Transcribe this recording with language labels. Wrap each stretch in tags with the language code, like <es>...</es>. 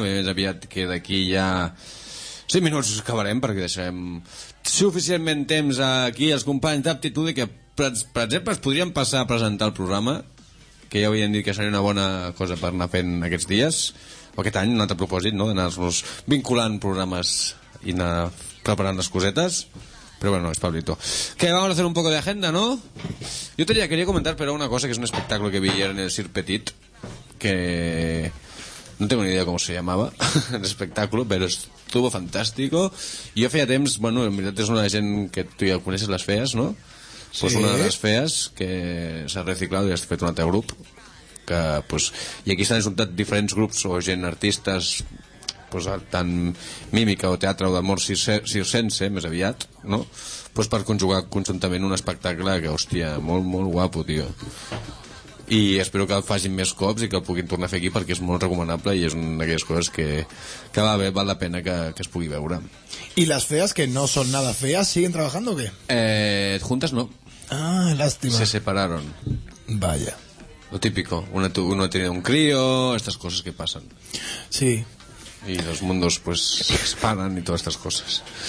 <ca>Bé, més aviat que d'aquí ja 5 minuts acabarem, perquè deixarem suficientment temps aquí els companys d'Aptitud, que per exemple es podrien passar a presentar el programa, que ja havien dit que seria una bona cosa per anar fent aquests dies, o aquest any, un altre propòsit, no?, d'anar-nos vinculant programes i anar preparant les cosetes. Però bueno, és Pablito.</ca> <es>Que vamos a hacer un poco de agenda, ¿no? Yo te quería comentar, pero una cosa, que es un espectáculo que vi ayer en el Cirque Petit, que no tengo ni idea cómo se llamaba el espectáculo, pero estuvo fantástico. Y yo</es> <ca>feia temps,</ca> <es>bueno, en verdad es una de la gente que tú ya conoces, las feas, ¿no? Pues sí. Una de las feas que se ha reciclado y ha hecho un otro grupo.</es> <ca>Que, pues, y aquí s'han ajuntat diferents grups o gent, artistes, pues, tant mímica o teatre o d'amor circense, més aviat, no? Pues per conjugar conjuntament un espectacle que, hòstia, molt, molt guapo, tio. I espero que el facin més cops i que el puguin tornar a fer aquí, perquè és molt recomanable i és una d'aquelles coses que va bé, val la pena que es pugui veure.</ca> <es>¿Y las feas que no son nada feas siguen trabajando o qué? Juntas no. Ah, lástima. Se separaron. Vaya. Lo típico, uno tiene un crío, estas cosas que pasan. Sí. Y los mundos, pues, se disparan y todas estas cosas.</es>